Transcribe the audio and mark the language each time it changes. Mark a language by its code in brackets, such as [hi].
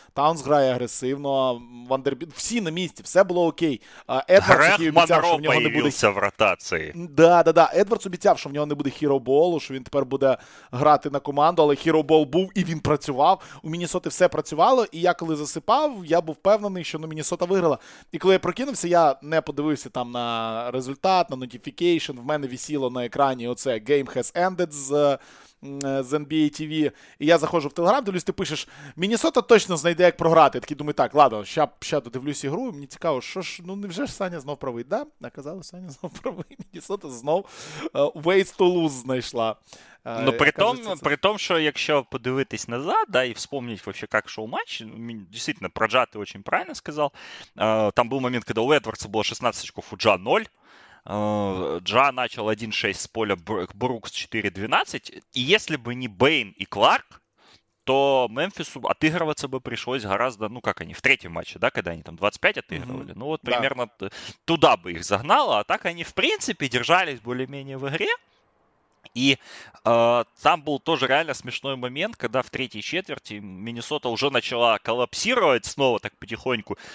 [uk] Таунс грає агресивно, Вандербіт, всі на місці, все було окей. Едвардс, який обіцяв, що в нього не буде... в ротації. Да. Едвардс обіцяв, що в нього не буде хіроболу, що він тепер буде грати на команду, але хіробол був, і він працював. У Міннесоти все працювало, і я коли засипав, я був впевнений, що, ну, Міннесота виграла. І коли я прокинувся, я не подивився там на результат, на notification, в мене висіло на екрані оце [en] «Game has ended» [uk] з NBA TV, і я заходжу в Телеграм, дивлюсь, ти пишеш, Міннесота точно знайде, як програти. Я такий думаю, так, ладно, ща додивлюсь ігру, мені цікаво, що ж, ну, невже ж Саня знов правий? Да, наказали, Саня знов правий, Міннесота знов [en] ways to lose [uk] знайшла. Ну, при тому, що якщо подивитись назад, да, і вспомнить, вообще, як шоу матч, дійсно, про Джа ти очень правильно сказав, там був момент, коли у Едвардса було 16 очков, у Джа 0, [ru] Джа начал 1-6 с поля, [uk] Брукс 4-12. [ru] И если бы не Бэйн и Кларк, то Мемфису отыгрываться бы пришлось гораздо, ну как они, в третьем матче, да, когда они там 25 отыгрывали. Mm-hmm. Ну вот примерно да. Туда бы их загнало, а так они в принципе держались более-менее в игре. И там был тоже реально смешной момент, когда в третьей четверти Миннесота уже начала коллапсировать снова так потихоньку.